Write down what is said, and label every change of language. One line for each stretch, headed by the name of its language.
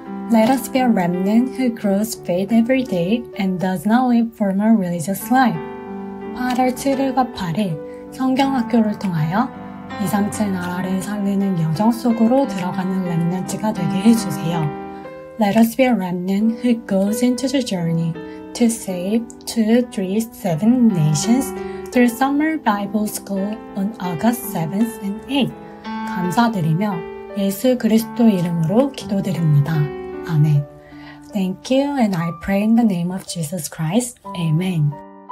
English: Let us be a remnant who grows faith every day and does not live formal religious life.
Korean: 8월 7일과 8일 성경학교를 통하여 237 나라를 살리는 여정 속으로 들어가는 렘넌트가 되게 해주세요.
English: Let us be a remnant who goes into the journey to save 237 nations through summer Bible school on August 7th and 8th.
Korean: 감사드리며 예수 그리스도 이름으로 기도드립니다.
English: 아멘. Thank you, and I pray in the name of Jesus Christ. Amen.